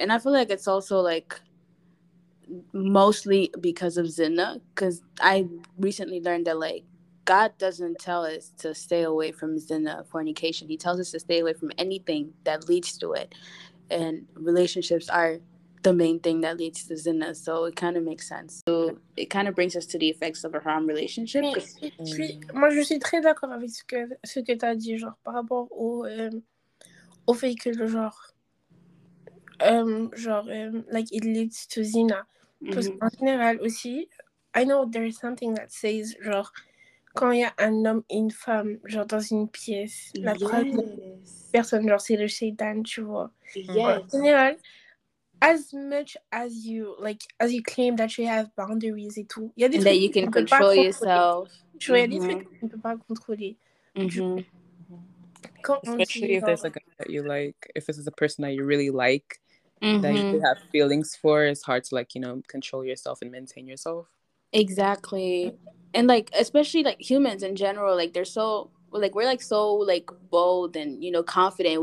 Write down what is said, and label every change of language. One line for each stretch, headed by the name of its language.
English: And I feel like it's also, like, mostly because of zina. Because I recently learned that, like, God doesn't tell us to stay away from zina, fornication. He tells us to stay away from anything that leads to it. And relationships are the main thing that leads to zina. So it kind of makes sense. So it kind of brings us to the effects of a haram relationship.
French: Moi, je suis très d'accord avec ce que tu as dit, genre, par rapport au fait que le genre...
English: like, it leads to zina.
French: Parce qu'en général aussi,
English: I know there is something that says,
French: genre, quand il y a un homme et une femme, genre, dans une pièce, la première personne, genre, c'est le Satan, tu vois. En général,
English: as much as you, like, as you claim that you have boundaries
French: et tout, y a des trucs
English: that you can control yourself.
French: Tu vois, y a des trucs qu'on ne peut pas contrôler.
English: Especially if there's a guy that you like, if this is a person that you really like, that you have feelings for, it's hard to, like, you know, control yourself and maintain yourself. Exactly. And like, especially like humans in general, like they're so like, we're like so like bold and, you know, confident.